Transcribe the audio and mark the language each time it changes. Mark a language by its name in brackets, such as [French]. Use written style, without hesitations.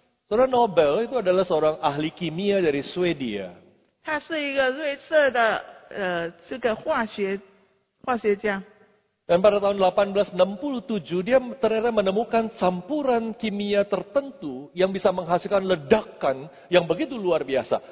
[Indonesian] Saudara Nobel itu adalah seorang ahli kimia dari Swedia. [Chinese] 他是一个瑞士的这个化学家。 [Indonesian] Dan pada tahun 1867 dia ternyata menemukan campuran kimia tertentu yang bisa menghasilkan ledakan yang begitu luar biasa.